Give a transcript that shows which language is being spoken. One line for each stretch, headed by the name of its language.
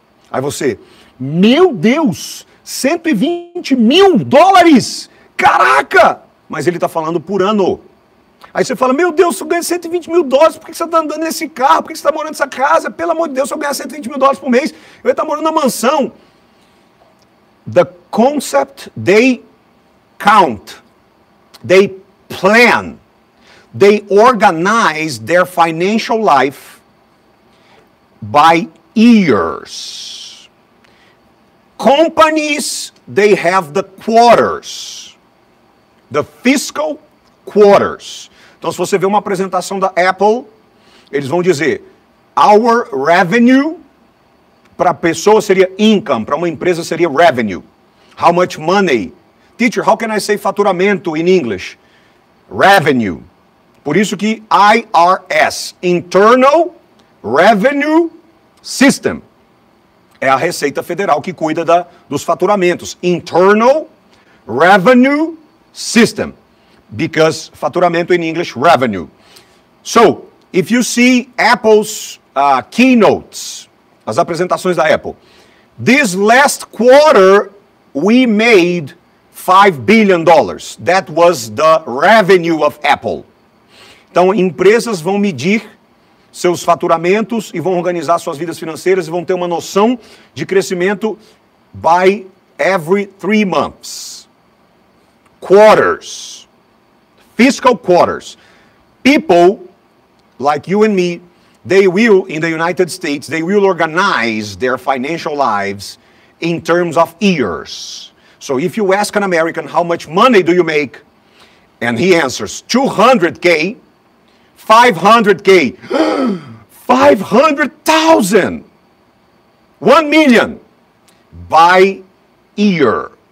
Portuguese: Aí você, meu Deus, 120 mil dólares, caraca! Mas ele está falando por ano. Aí você fala, meu Deus, se eu ganho 120 mil dólares, por que você está andando nesse carro? Por que você está morando nessa casa? Pelo amor de Deus, se eu ganhar 120 mil dólares por mês, eu ia estar morando na mansão.
English: The concept, they count, they plan, they organize their financial life by years. Companies, they have the quarters, the fiscal quarters.
Portuguese: Então, se você vê uma apresentação da Apple, eles vão dizer,
English: our revenue,
Portuguese: para a pessoa seria income, para uma empresa seria revenue.
English: How much money? Teacher, how can I say faturamento in English? Revenue.
Portuguese: Por isso que IRS, Internal Revenue System, é a Receita Federal que cuida dos faturamentos.
English: Internal Revenue System. Because faturamento in English, revenue. So, if you see Apple's keynotes,
Portuguese: as apresentações da Apple,
English: this last quarter, we made $5 billion. That was the revenue of Apple.
Portuguese: Então, empresas vão medir seus faturamentos e vão organizar suas vidas financeiras e vão ter uma noção de crescimento
English: by every 3 months. Quarters. Fiscal quarters. People like you and me, they will, in the United States, they will organize their financial lives in terms of years. So if you ask an American, how much money do you make? And he answers, 200K, 500K, 500,000, 1 million, by year.